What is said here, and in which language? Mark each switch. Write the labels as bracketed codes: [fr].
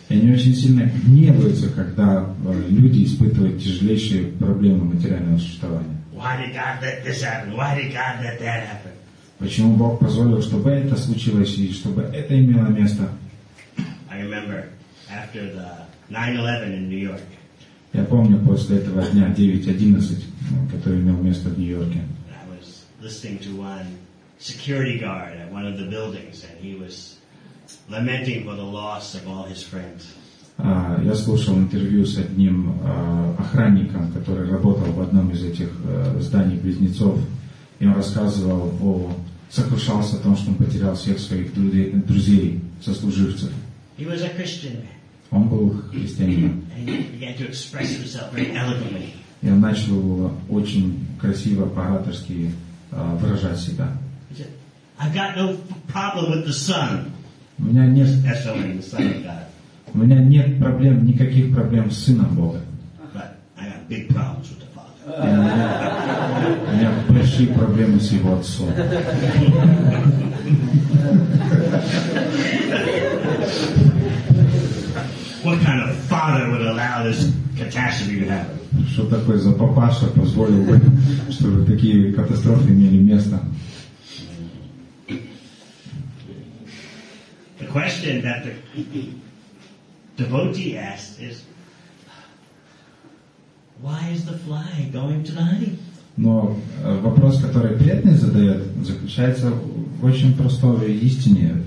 [ru] Они очень сильно гневаются, когда люди испытывают тяжелейшие проблемы материального существования. [en] Why did God let this happen? Why did God let that happen? [ru] Почему Бог позволил, чтобы это случилось и чтобы это имело место? [en] I remember after the 9/11 in New York. [ru] Я помню после этого дня 9/11, который имел место в Нью-Йорке. [en] I was listening to one security guard at one of the buildings, and he was lamenting for the loss of all his friends. [ru] Я слушал интервью с одним охранником, который работал в одном из этих зданий близнецов, и он рассказывал о сокрушался о том, что он потерял всех своих друзей, сослуживцев. [en] He was a Christian. [ru] Он был христианином. [en] And he began to express himself very eloquently. [ru] И он начал очень красиво, по-ораторски выражать себя. [en] He said, "I've got no problem with the Son." [ru] У меня нет [en] the Son of God. [ru] У меня нет проблем, никаких проблем с Сыном Бога. [en] But I have big problems with the Father. [ru] У меня большие проблемы с его отцом. [en] What kind of father would allow this catastrophe to happen? [ru] Что такое за папаша позволил бы, чтобы такие катастрофы имели место? [en] The question that the devotee asked is, why is the fly going to the honey? [ru] Но вопрос, который преданный задает, заключается в очень простой истине.